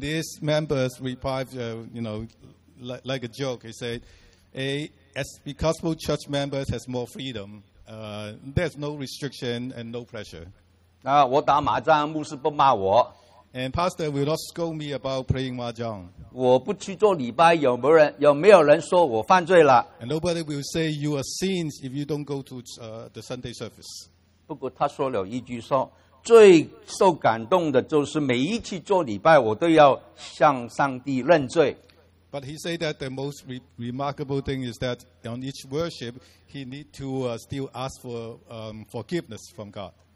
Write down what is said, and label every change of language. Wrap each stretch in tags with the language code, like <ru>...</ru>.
<en>this member's reply, you know, like a joke, he said, "A Episcopal Church members has more freedom. There's no restriction and no pressure."</en> <zh>啊，我打麻将，牧师不骂我。</zh> <en>And pastor will not scold me about playing mahjong.</en> <zh>我不去做礼拜，有没有人说我犯罪了？</zh> <en>And nobody will say you are sins if you don't go to the Sunday service.</en> <zh>不过他说了一句说，最受感动的就是每一次做礼拜，我都要向上帝认罪。</zh> <en>But he said that the most remarkable thing is that on each worship, he need to still ask for forgiveness from God.</en>